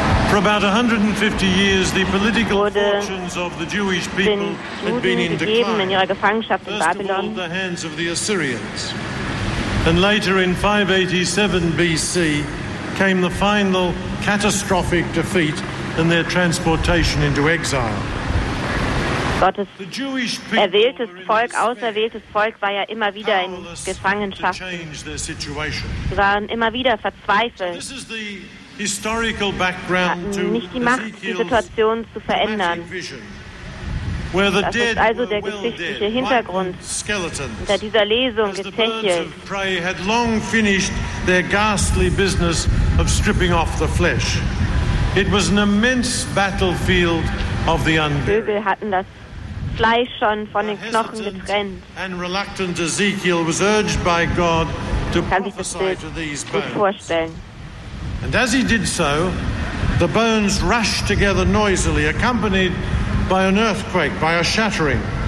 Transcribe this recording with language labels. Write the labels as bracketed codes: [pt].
[en] For about 150 years, the political fortunes of the Jewish people had been in decline. First of all, in the hands of the Assyrians. And later in 587 BC came the final catastrophic defeat and their transportation into exile. [de] Gottes erwähltes Volk, auserwähltes Volk war ja immer wieder in Gefangenschaft. Sie waren immer wieder verzweifelt. [en] Historical background [de] nicht die Macht, die Situation zu verändern. Das ist also der geschichtliche Hintergrund, unter dieser Lesung getächelt. Vögel hatten das Fleisch schon von den Knochen getrennt. [en] And reluctant Ezekiel was urged by God to prophesy to these bones. And as he did so, the bones rushed together noisily, accompanied by an earthquake, by a shattering.